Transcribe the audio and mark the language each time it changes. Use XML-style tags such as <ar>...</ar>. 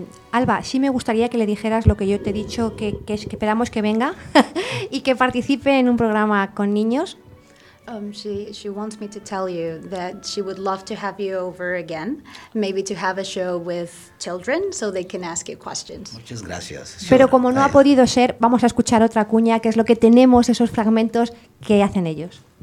<es>Alba, sí me gustaría que le dijeras lo que yo te he dicho, que es que esperamos que venga y que participe en un programa con niños.</es> <en>She wants me to tell you that she would love to have you over again, maybe to have a show with children so they can ask you questions.</en> <es>Muchas gracias. Pero como no ha podido ser, vamos a escuchar otra cuña, que es lo que tenemos, esos fragmentos que hacen ellos.</es>